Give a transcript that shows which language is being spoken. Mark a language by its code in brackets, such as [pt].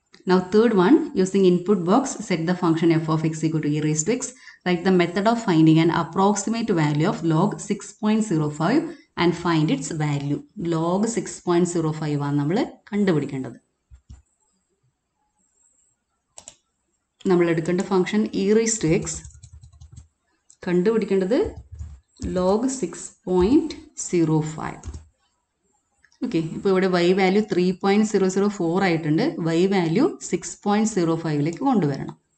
[en] Now third one, using input box, set the function f of x equal to e raised to x. Write the method of finding an approximate value of log 6.05 and find its value. [ml] Log 6.05 ആണ് നമ്മൾ കണ്ടുപിടിക്കേണ്ടത്. നമ്മൾ എടുക്കേണ്ട function [en] e raised to x, [ml] കണ്ടുപിടിക്കേണ്ടത് log 6.05. Okay, ഇപ്പോൾ ഇവിടെ Y value 3.004 ആയിട്ടുണ്ട്, Y value 6.05-ലേക്ക് കൊണ്ടുവരണം.